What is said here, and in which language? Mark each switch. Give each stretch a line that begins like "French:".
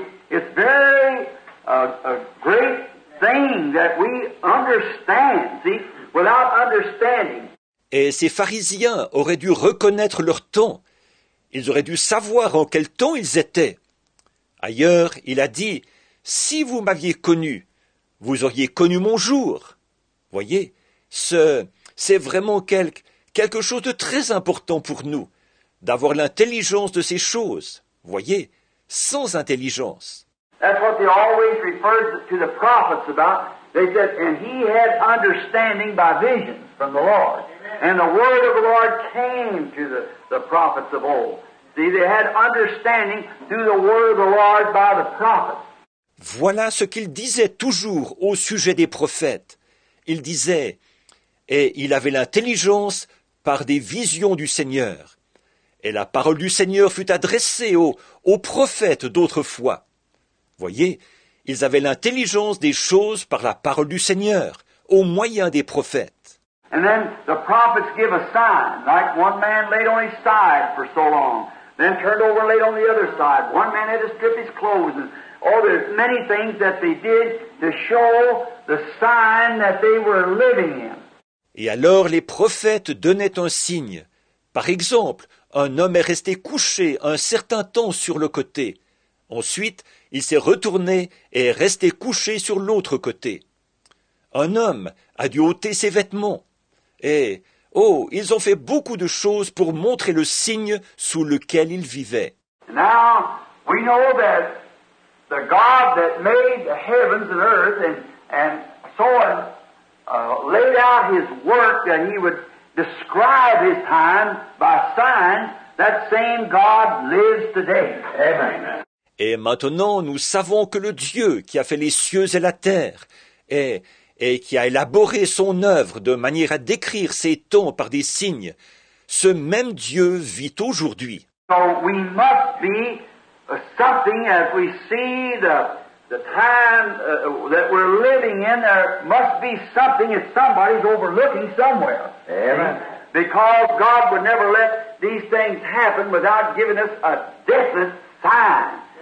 English: It's very a great thing that we understand, see, without understanding.
French: Et ces pharisiens auraient dû reconnaître leur temps. Ils auraient dû savoir en quel temps ils étaient. Ailleurs, il a dit, « Si vous m'aviez connu, vous auriez connu mon jour. » Voyez, c'est vraiment quelque chose de très important pour nous, d'avoir l'intelligence de ces choses. Voyez, sans intelligence.
English: That's what they always referred to the prophets about. They said, and he had understanding by visions from the Lord. Amen. And the word of the Lord came to the prophets of old. See, they had understanding through the word of the Lord by the prophets.
French: Voilà ce qu'il disait toujours au sujet des prophètes. Il disait, et il avait l'intelligence par des visions du Seigneur. Et la parole du Seigneur fut adressée aux prophètes d'autrefois. Voyez, ils avaient l'intelligence des choses par la parole du Seigneur, au moyen des prophètes.
English: And then the prophets give a sign, like one man laid on his side for so long, then turned over and laid on the other side. One man had to strip his clothes. Oh, there's many things that they did to show the sign that they were living in.
French: Et alors les prophètes donnaient un signe. Par exemple, un homme est resté couché un certain temps sur le côté. Ensuite, il s'est retourné et est resté couché sur l'autre côté. Un homme a dû ôter ses vêtements. Et, oh, ils ont fait beaucoup de choses pour montrer le signe sous lequel ils vivaient.
English: Now, we know that the God that made the heavens and earth and so on laid out his work that he would describe his time by signs, that same God lives today. Amen.
French: Et maintenant, nous savons que le Dieu qui a fait les cieux et la terre et qui a élaboré son œuvre de manière à décrire ses temps par des signes, ce même Dieu vit aujourd'hui.
English: So we must be something as we see the time that we're living in, there must be something if somebody's overlooking somewhere. Amen. Because God would never let these things happen without giving us a definite sign.